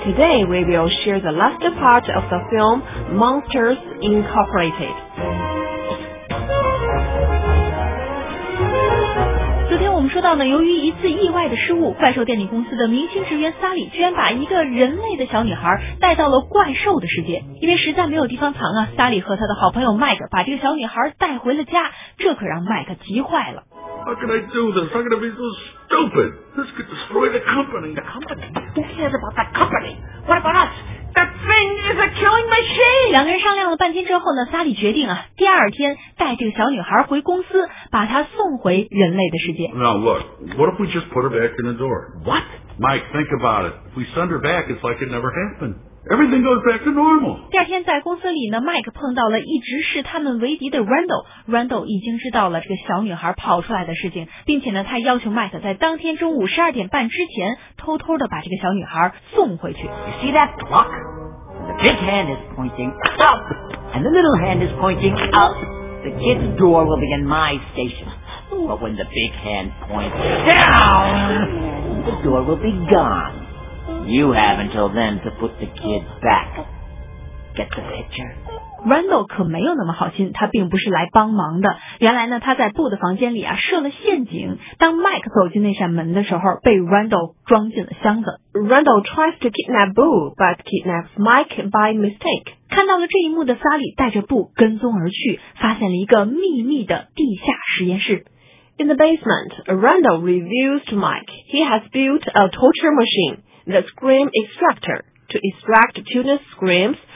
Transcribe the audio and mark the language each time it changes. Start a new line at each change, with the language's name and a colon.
English: Today we will share the last part of the film Monsters Incorporated.
Chinese: 说到呢，由于一次意外的失误，怪兽电力公司的明星职员萨里居然把一个人类的小女孩带到了怪兽的世界。因为实在没有地方藏啊，萨里和他的好朋友麦克把这个小女孩带回了家，这可让麦克急坏了。
English: How can I do this? I'm gonna be so stupid. This could destroy the company. The company? Who cares about the company? What about us? The thing is a killing machine.
Chinese: 两个人商量了半天之后呢，萨里决定啊，第二天带这个小女孩回公司，把她送回人类的世界。
English: Now look, what if we just put her back in the door? What? Mike, think about it. If we send her back, it's like it never happened. Everything goes back to normal.
Chinese: 第二天在公司里呢，麦克碰到了一直是他们为敌的 Randall。 Randall 已经知道了这个小女孩跑出来的事情，并且呢，他要求麦克在当天中午12:30之前偷偷的把这个小女孩送回去。
English: You see that clock? The big hand is pointing up, and the little hand is pointing up. The kid's door will be in my station. But when the big hand points down, the door will be gone. You have until then to put the kid back. Get the picture?
Chinese: Randall 可没有那么好心，他并不是来帮忙的。原来呢，他在布的房间里啊设了陷阱。当 Mike 走进那扇门的时候，被 Randall 装进了箱子。
English: Randall tries to kidnap Boo, but kidnaps Mike by mistake.
Chinese: 看到了这一幕的 Sally 带着 Boo 跟踪而去，发现了一个秘密的地下实验室。
English: In the basement, Randall reveals to Mike he has built a torture machine, the scream extractor, to extract children's screams.